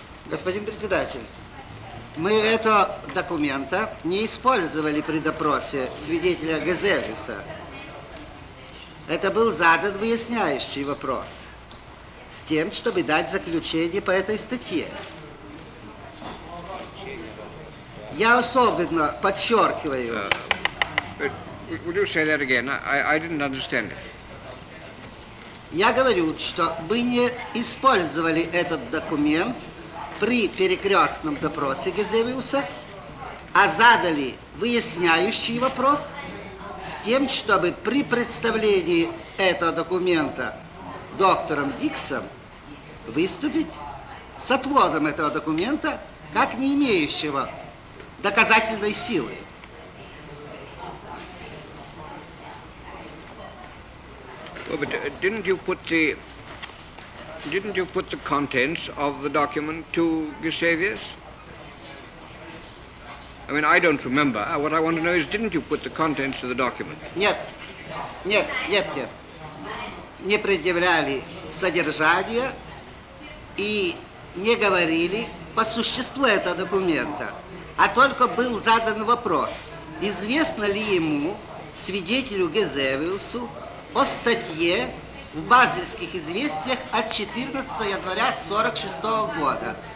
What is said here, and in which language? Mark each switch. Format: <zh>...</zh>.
<ru>Господин председатель, мы это документа не использовали при допросе свидетеля Газелиуса. Это был задан выясняющий вопрос с тем, чтобы дать заключение по этой статье. Я особенно подчеркиваю...</ru> <en>Would you say that again? I didn't understand it.</en> <ru>Я говорю, что вы не использовали этот документ при перекрестном допросе Гезевиуса, а задали выясняющий вопрос с тем, чтобы при представлении этого документа доктором Диксом выступить с отводом этого документа как не имеющего доказательной силы.</ru> <en>Well, but didn't you put the contents of the document to Gisavius? I mean, I don't remember. What I want to know is, didn't you put the contents of the document?</en> <ru>Нет, нет, нет, нет. Не предъявляли содержание и не говорили по существу этого документа, а только был задан вопрос: известно ли ему, свидетелю Гезевиусу, о статье в базельских известиях от 14 января 1946 года.</ru>